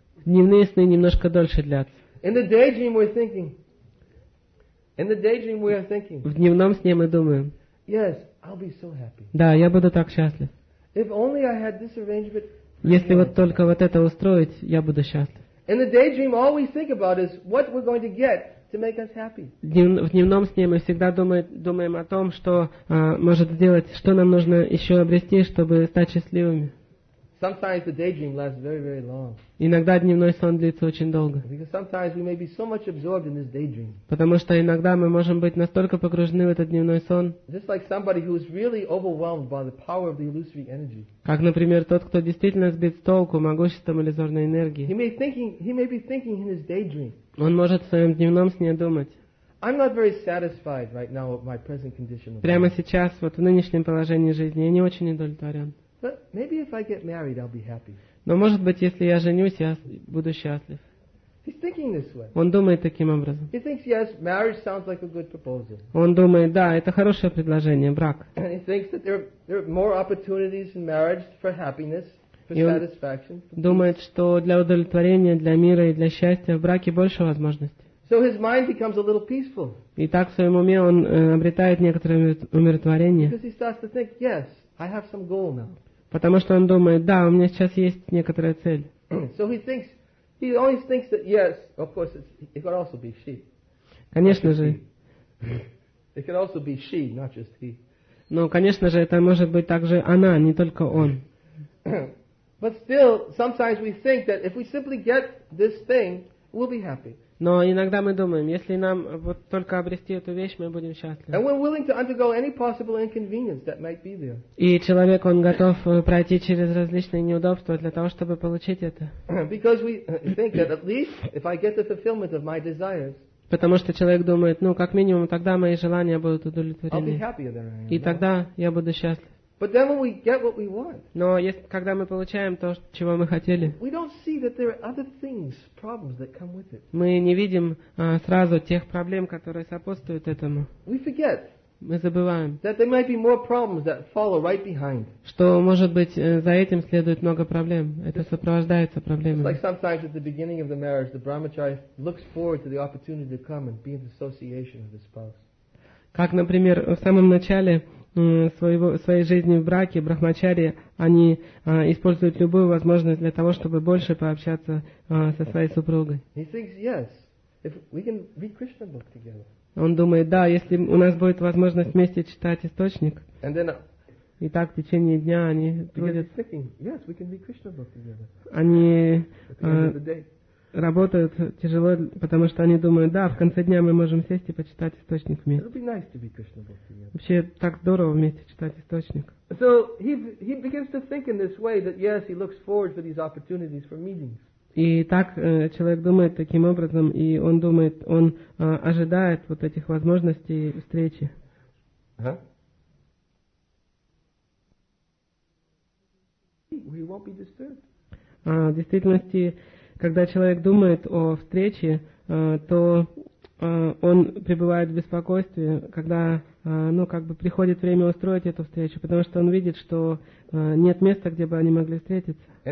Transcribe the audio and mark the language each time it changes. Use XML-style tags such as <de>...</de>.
<ru>Дневные сны немножко дольше длятся.</ru> <en>In the daydream we're thinking. In the daydream we are thinking.</en> <ru>В дневном сне мы думаем.</ru> <en>Yes, I'll be so happy.</en> <ru>Да, я буду так счастлив.</ru> <en>If only I had this arrangement.</en> <ru>Если вот только вот это устроить, я буду счастлив.</ru> <en>In the daydream all we think about is what we're going to get. To make us happy.</en> <ru>В дневном сне мы всегда думаем о том, что может сделать, что нам нужно еще обрести, чтобы стать счастливыми.</ru> <en>Sometimes the daydream lasts very, very long.</en> <ru>Иногда дневной сон длится очень долго.</ru> <en>Because sometimes we may be so much absorbed in this daydream.</en> <ru>Потому что иногда мы можем быть настолько погружены в этот дневной сон.</ru> <en>Just like somebody who is really overwhelmed by the power of the illusory energy.</en> <ru>Как, например, тот, кто действительно сбит с толку могуществом иллюзорной энергии.</ru> <en>He may be thinking in his daydream.</en> <ru>Он может в своем дневном сне думать.</ru> <en>I'm not very satisfied right now with my present condition of life.</en> <ru>Прямо сейчас, вот в нынешнем положении жизни, я не очень удовлетворен.</ru> <en>But maybe if I get married, I'll be happy.</en> <ru>Но может быть, если я женюсь, я буду счастлив.</ru> <en>He's thinking this way.</en> <ru>Он думает таким образом.</ru> <en>He thinks yes, marriage sounds like a good proposal.</en> <ru>Он думает, да, это хорошее предложение, брак.</ru> <en>And he thinks that there are more opportunities in marriage for happiness, for satisfaction.</en> <ru>Думает, что для удовлетворения, для мира и для счастья в браке больше возможностей.</ru> <en>So his mind becomes a little peaceful.</en> <ru>И так в своем уме он обретает некоторое умиротворение.</ru> <en>Because he starts to think, yes. I have some goal now.</en> <ru>Потому что он думает, да, у меня сейчас есть некоторая цель.</ru> <en>So he always thinks that yes, of course it could also be she.</en> <ru>Конечно же.</ru> <en>It could also be she, not just he.</en> <ru>Но, конечно же, это может быть также она, не только он.</ru> <en>But still, sometimes we think that if we simply get this thing, we'll be happy.</en> <ru>Но иногда мы думаем, если нам вот только обрести эту вещь, мы будем счастливы.</ru> <en>And we're willing to undergo any possible inconvenience that might be there.</en> <ru>И человек, он готов пройти через различные неудобства для того, чтобы получить это.</ru> <en>Because we think that at least if I get the fulfillment of my desires.</en> <ru>Потому что человек думает, ну как минимум тогда мои желания будут удовлетворены.</ru> <en>I'll be happier than I am.</en> <ru>И тогда я буду счастлив.</ru> <en>But then when we get what we want,</en> <ru>но если, когда мы получаем то, чего мы хотели,</ru> <en>we don't see that there are other things, problems that come with it.</en> <ru>Мы не видим сразу тех проблем, которые сопутствуют этому.</ru> <en>We forget.</en> <ru>Мы забываем.</ru> <en>That there might be more problems that follow right behind.</en> <ru>Что может быть за этим следует много проблем. Это сопровождается проблемами.</ru> <en>It's like sometimes at the beginning of the marriage, the brahmachari looks forward to the opportunity to come and be in association with the spouse.</en> <ru>Как, например, в самом начале своей жизни в браке, брахмачари, они используют любую возможность для того, чтобы больше пообщаться со своей супругой.</ru> <en>He thinks, yes, if we can read Krishna book together.</en> <ru>Он думает, да, если у нас будет возможность вместе читать источник,</ru> <en>and then,</en> <ru>и так в течение дня они трудят,</ru> <en>yes, we can read Krishna book together.</en> <ru>Они работают тяжело, потому что они думают, да, в конце дня мы можем сесть и почитать источник вместе.</ru> <en>It'll be nice to be Krishna book together.</en> <ru>Вообще так здорово вместе читать источник.</ru> <en>So he begins to think in this way that yes, he looks forward to these opportunities for meetings.</en> <ru>И так человек думает таким образом, и он думает, он ожидает вот этих возможностей встречи.</ru> <en>He won't be disturbed.</en> <ru>В действительности, когда человек думает о встрече, то он пребывает в беспокойстве, когда, ну, как бы приходит время устроить эту встречу, потому что он видит, что нет места, где бы они могли встретиться.</ru>